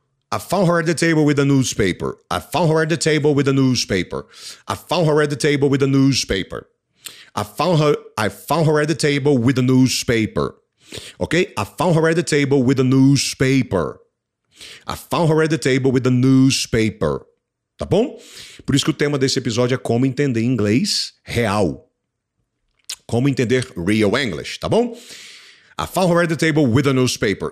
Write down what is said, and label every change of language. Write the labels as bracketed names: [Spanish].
[English] I found her at the table with a newspaper. I found her at the table with a newspaper. I found her at the table with a newspaper. I found her at the table with a newspaper. Okay? I found her at the table with a newspaper. I found her at the table with a newspaper. [Portuguese] Tá bom? Por isso que o tema desse episódio é como entender inglês real. Como entender [English] real English, [Portuguese] tá bom? [English] I found her at the table with a newspaper.